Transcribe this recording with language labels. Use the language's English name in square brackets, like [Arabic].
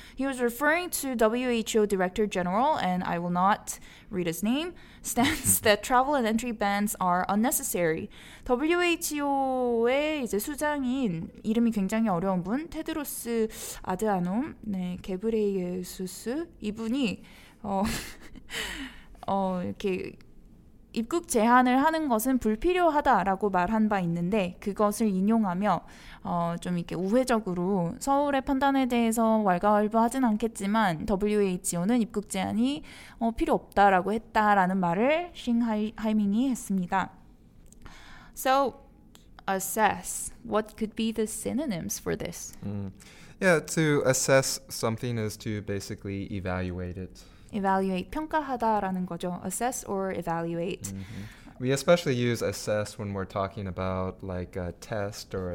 [English] He was referring to WHO Director General, and I will not read his name, stands that travel and entry bans are unnecessary. [Korean] WHO의 이제 수장인 이름이 굉장히 어려운 분 테드로스 아드하놈, 네, 게브레이예수스 이분이 이렇게 입국 제한을 하는 것은 불필요하다라고 말한 바 있는데 그것을 인용하며 좀 이렇게 우회적으로 서울의 판단에 대해서 왈가왈부하진 않겠지만 WHO는 입국 제한이 필요 없다라고 했다라는 말을 싱 하이밍이 했습니다. [English] So assess, what could be the synonyms for this? Yeah, to assess something is to basically evaluate it. Evaluate, [Korean] 평가하다라는 거죠. [English] Assess or evaluate. Mm-hmm. We especially use assess when we're talking about like a test or a